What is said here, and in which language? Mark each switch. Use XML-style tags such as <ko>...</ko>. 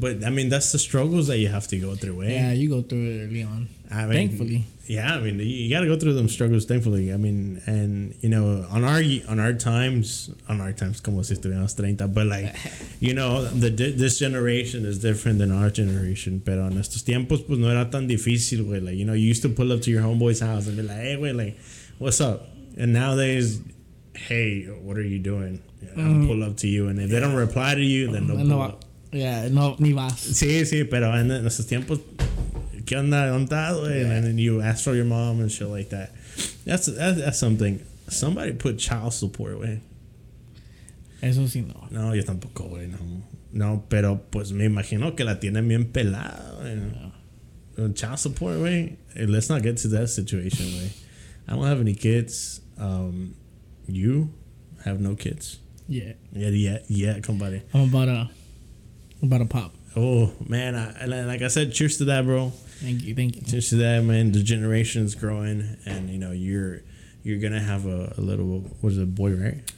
<en>But I mean, that's the struggles that you have to go through. Eh? Yeah, you go through it early on. I mean, thankfully. Yeah, I mean, you got to go through them struggles. Thankfully, I mean, and you know, on our times, como si estuviéramos 30, but like, you know, this generation is different than our generation.</en> <es>Pero en estos tiempos, pues no era tan difícil, güey.</es> <en>Like, you know, you used to pull up to your homeboy's house and be like, hey, güey, like, what's up? And nowadays, hey, what are you doing? Yeah, I'll pull up to you, and if they don't reply to you, then</en> <es>no, ni vas. Sí, sí, pero en esos tiempos.</es> <en>And then you ask for your mom and shit like that. That's something. Somebody put child support, güey.</en> <es>Eso sí, no. No, yo tampoco, güey. No, pero pues me imagino que la tienen bien pelada. No. Child support, güey.</es> <en>Hey, let's not get to that situation, güey. I don't have any kids. You have no kids? Yeah,</en> <es>compadre.</es> <en>I'm about a pop. Oh, man. Like I said, cheers to that, bro. Thank you. Just to that, man, the generation is growing, and you know, you're gonna have a little, what is it, boy, right?</en>